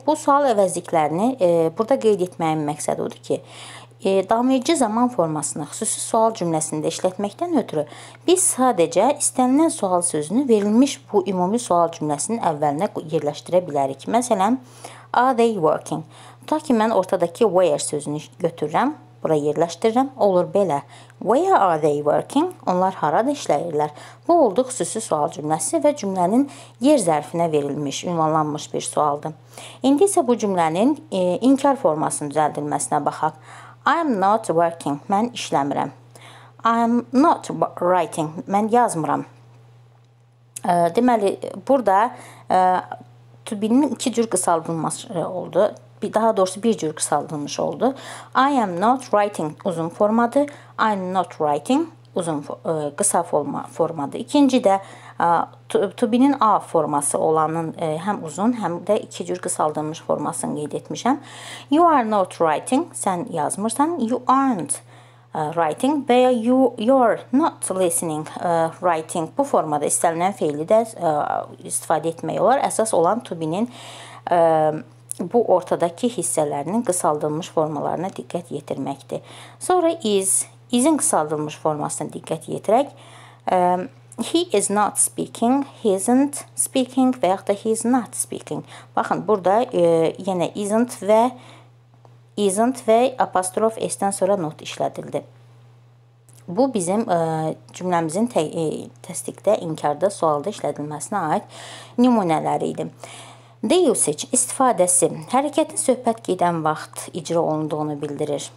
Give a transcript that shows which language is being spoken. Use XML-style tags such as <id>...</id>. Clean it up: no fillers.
<az>Bu sual əvəzliklərini burada qeyd etməyin məqsədi odur ki, davamedici zaman formasını xüsusi sual cümləsində işlətməkdən ötürü biz sadəcə istənilən sual sözünü verilmiş bu ümumi sual cümləsinin əvvəlinə yerləşdirə bilərik. Məsələn,</az> <en>are they working?</en> <az>Tutaq ki, mən ortadakı where sözünü götürürəm, bura yerləşdirirəm.</az> <en>Olur belə, where are they working?</en> <az>Onlar harada işləyirlər? Bu oldu xüsusi sual cümləsi və cümlənin yer zərfinə verilmiş, ünvanlanmış bir sualdır. İndi isə bu cümlənin inkar formasının düzəldilməsinə baxaq.</az> <en>I am not working.</en> <az>Mən işləmirəm.</az> <en>I am not writing.</en> <az>Mən yazmıram. Deməli, burada to be-nin iki cür qısaldılması oldu. Daha doğrusu bir cür qısaldılmış oldu.</az> <en>I am not writing</en> <az>uzun formadır.</az> <en>I am not writing</en> <az>uzun qısa formadır. İkinci də to be-nin A forması olanın həm uzun, həm də iki cür qısaldılmış formasını qeyd etmişəm.</az> <en>You are not writing,</en> <az>sən yazmırsan.</az> <en>You aren't writing</en> <az>və ya</az> <en>you're not listening writing</en> <az>bu formada istənilən feili də istifadə etmək olar. Əsas olan to be-nin bu ortadakı hissələrinin qısaldılmış formalarına diqqət yetirməkdir. Sonra is, is-in qısaldılmış formasına diqqət yetirək.</az> <en>He is not speaking, he isn't speaking və yaxud da he is not speaking.</en> <az>Baxın, burada yenə isn't və isn't və apostrof s-dən sonra not işlədildi. Bu, bizim cümləmizin təsdiqdə, inkarda, sualda işlədilməsinə aid nümunələri idi. The usage, istifadəsi, hərəkətin söhbət gedən vaxt icra olunduğunu bildirir.</az>